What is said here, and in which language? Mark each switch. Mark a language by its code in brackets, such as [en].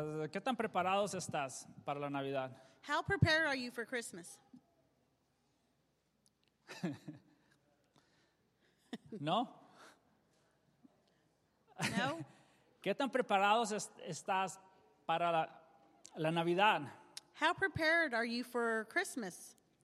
[es] ¿Qué tan preparados estás para la Navidad? [en] How prepared are you for Christmas? [es] ¿No? No. ¿Qué tan preparados estás para la Navidad? [en] How prepared are you for Christmas?